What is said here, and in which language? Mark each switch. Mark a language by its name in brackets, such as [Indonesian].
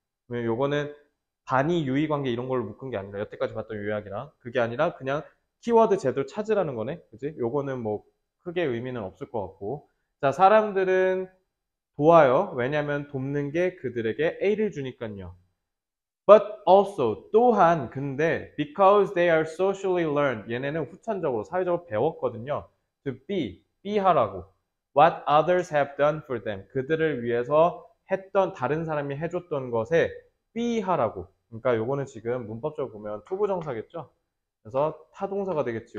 [Korean] 요거는 반이 유의관계 이런 걸로 묶은 게 아니라, 여태까지 봤던 요약이랑. 그게 아니라 그냥 키워드 제대로 찾으라는 거네. 그지? 요거는 뭐 크게 의미는 없을 것 같고. 자, 사람들은 도와요. 왜냐면 돕는 게 그들에게 A를 주니까요. [English] But also, [Korean] 또한, 근데, [English] because they are socially learned. [Korean] 얘네는 후천적으로, 사회적으로 배웠거든요. [English] To be [Korean] 하라고. [English] What others have done for them. [Korean] 그들을 위해서 했던, 다른 사람이 해줬던 것에 be 하라고. 그러니까 요거는 지금 문법적으로 보면 to 부정사겠죠? 그래서 타동사가 되겠지.